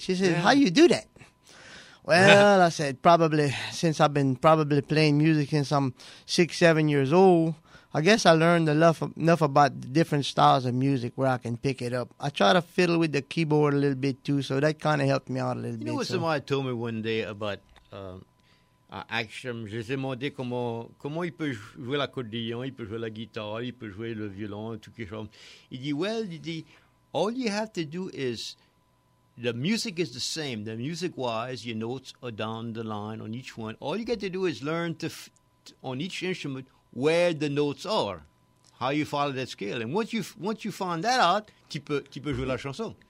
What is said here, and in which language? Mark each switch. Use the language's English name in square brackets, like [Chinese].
[English] She says, how you do that? Well, I said, probably since I've been probably playing music since I'm 6, 7 years old, I guess I learned enough about the different styles of music where I can pick it up. I try to fiddle with the keyboard a little bit, too, so that kind of helped me out a little bit. You know what somebody told me one day about Action? [French] Je lui ai demandé comment il peut jouer l'accordéon, il peut jouer la guitare, il peut jouer le violon, tout ce genre. Il dit, [English] all you have to do is, the music is the same. The music-wise, your notes are down the line on each one. All you got to do is learn on each instrument, where the notes are, how you follow that scale, and once you find that out, [French] tu peux jouer la chanson.